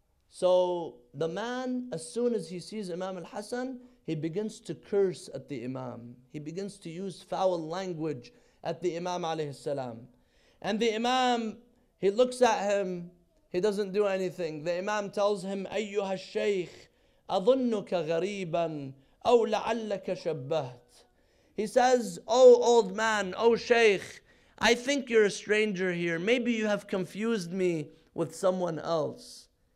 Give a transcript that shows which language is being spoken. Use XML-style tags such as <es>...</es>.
<en>So the man, as soon as he sees Imam al-Hasan, he begins to curse at the Imam. He begins to use foul language at the Imam alayhi salam. And the Imam, he looks at him, he doesn't do anything. The Imam tells him,</en> <ar>أيها الشيخ أظنك غريبا أو لعلك شبهت.</ar> <en>He says, oh old man, oh Shaykh, I think you're a stranger here. Maybe you have confused me with someone else.</en>